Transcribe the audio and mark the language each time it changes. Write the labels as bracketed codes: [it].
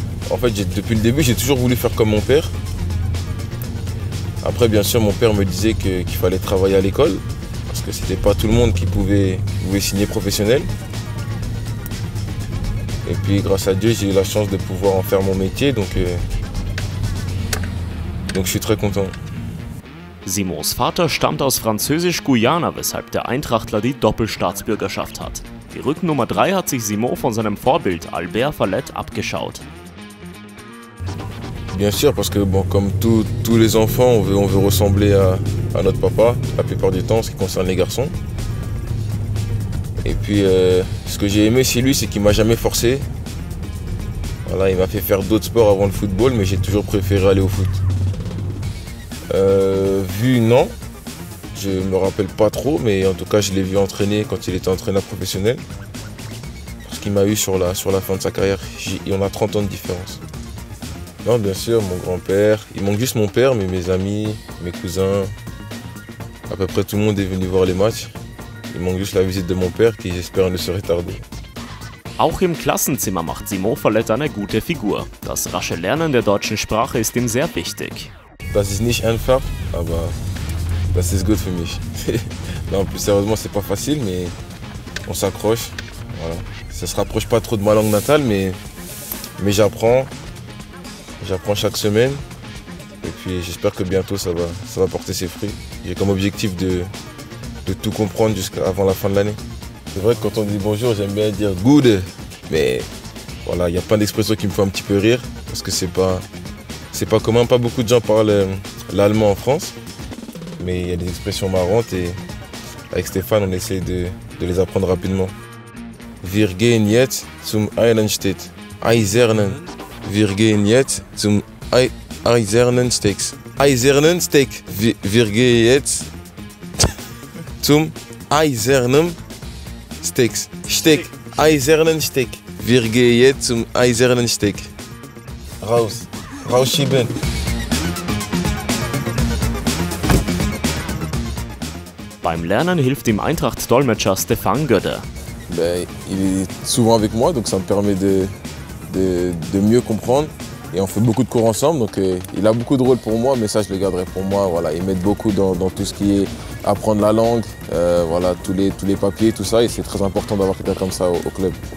[fr] En fait, depuis le début, j'ai toujours voulu faire comme mon père. Après, bien sûr, mon père me disait qu'il fallait travailler à l'école parce que c'était pas tout le monde qui pouvait signer professionnel. Et puis, grâce à Dieu, j'ai eu la chance de pouvoir en faire mon métier. Donc je suis très content. [de] Simons Vater stammt aus Französisch-Guyana, weshalb der Eintrachtler die Doppelstaatsbürgerschaft hat. Die Rücknummer 3 hat sich Simon von seinem Vorbild Albert Fallett abgeschaut. [fr] Bien sûr, parce que bon, comme tous les enfants, on veut ressembler à notre papa, la plupart du temps, ce qui concerne les garçons. Et puis, ce que j'ai aimé chez lui, c'est qu'il ne m'a jamais forcé. Voilà, il m'a fait faire d'autres sports avant le football, mais j'ai toujours préféré aller au foot. Je ne me rappelle pas trop, mais en tout cas, je l'ai vu entraîner quand il était entraîneur professionnel. Parce qu'il m'a eu sur la fin de sa carrière, on a 30 ans de différence. Non, bien sûr, mon grand-père. Il manque juste mon père, mais mes amis, mes cousins, à peu près tout le monde est venu voir les matchs. Il manque juste la visite de mon père, qui j'espère ne serait tardée. [de] Auch im Klassenzimmer macht Simon Fallett eine gute Figur. Das rasche Lernen der deutschen Sprache ist ihm sehr wichtig. Das ist nicht einfach, aber das ist gut für mich. [fr] Non, plus sérieusement, c'est pas facile, mais on s'accroche. Voilà. Ça se rapproche pas trop de ma langue natale, mais j'apprends. J'apprends chaque semaine et puis j'espère que bientôt ça va porter ses fruits. J'ai comme objectif de tout comprendre jusqu'avant la fin de l'année. C'est vrai que quand on dit bonjour, j'aime bien dire good, mais voilà, il y a plein d'expressions qui me font un petit peu rire parce que c'est pas commun. Pas beaucoup de gens parlent l'allemand en France, mais il y a des expressions marrantes et avec Stéphane, on essaie de les apprendre rapidement. [de] Wir gehen jetzt zum Eisernen. Eisernen. Wir gehen jetzt zum Eisernen Steak. Eisernen Steak. Wir gehen jetzt zum Eisernen Steak. Steak. Eisernen Steak. Wir gehen jetzt zum Eisernen Steak. Raus. Rausschieben. Beim Lernen hilft ihm Eintracht-Dolmetscher Stéphane Gödde. [fr] Ben, il est souvent avec moi, donc ça me permet de mieux comprendre. Et on fait beaucoup de cours ensemble, donc il a beaucoup de rôle pour moi, mais ça je le garderai pour moi. Voilà, il m'aide beaucoup dans tout ce qui est apprendre la langue, voilà, tous les papiers, tout ça. Et c'est très important d'avoir quelqu'un comme ça au club.